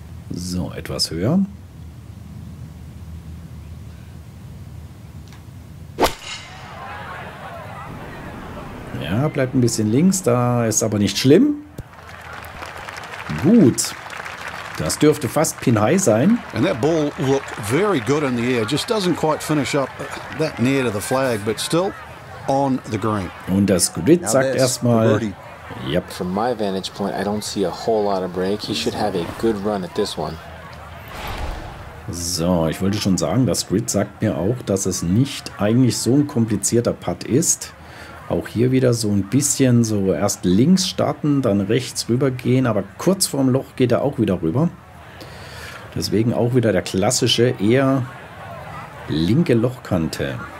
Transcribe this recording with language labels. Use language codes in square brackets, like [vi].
[de] So, etwas höher. Ja, bleibt ein bisschen links, da ist aber nicht schlimm. Gut. Das dürfte fast pin high sein. [en] And that ball looked very good in the air. Just doesn't quite finish up that near to the flag, but still on the green. [de] Und das Grid sagt erstmal, yep. [en] From my vantage point, I don't see a whole lot of break. He should have a good run at this one. [de] So, ich wollte schon sagen, das Grid sagt mir auch, dass es nicht eigentlich so ein komplizierter Putt ist. Auch hier wieder so ein bisschen so erst links starten, dann rechts rüber gehen, aber kurz vorm Loch geht er auch wieder rüber. Deswegen auch wieder der klassische, eher linke Lochkante.